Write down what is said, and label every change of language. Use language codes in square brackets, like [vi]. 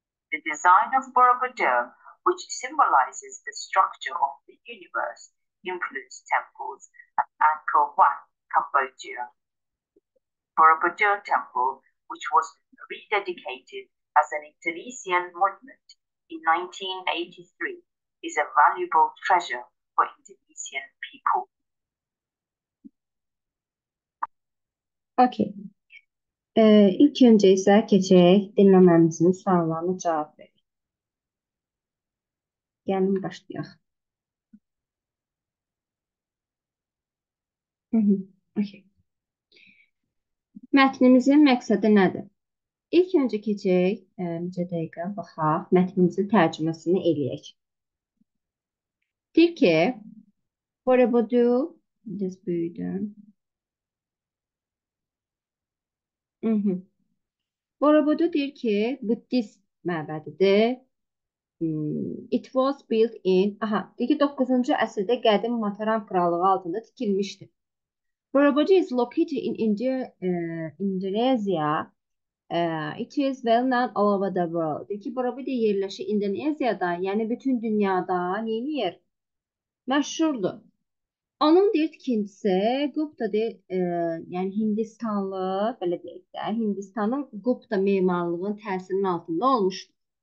[en] The design of Borobudur, which symbolizes the structure of the universe, influenced temples at Angkor Wat, Cambodia. Borobudur Temple, which was rededicated as an Indonesian monument in 1983, is a valuable treasure for Indonesian people. Okey. [tr] İlk önce ise keçerek dinlememizin sorularına cevap verelim. Gelin başlayalım. Okey. [az] Mətnimizin məqsədi nədir? İlk öncə keçək, bir dəqiqə baxaq, mətnimizin tərcüməsini eləyək. Deyir ki, Borobudur, biz büyüdüm. Borobudur deyir ki, Buddhist məbədidir. [en] It was built in, [az] aha, deyir ki, 9-cu əsrdə qədim Mataram krallığı altında tikilmişdir. [en] Borobudur is located in India, Indonesia. It is well known all over the world. [az] Deyir ki, Borobudur yerləşir İndoneziyada, yəni bütün dünyada yeni yer. Məşhurdur. Onun deyir tikintisi Gupta deyir, yəni Hindistanlı, belə deyək də, Hindistanın Gupta memarlığının təsirinin altında olmuşdur.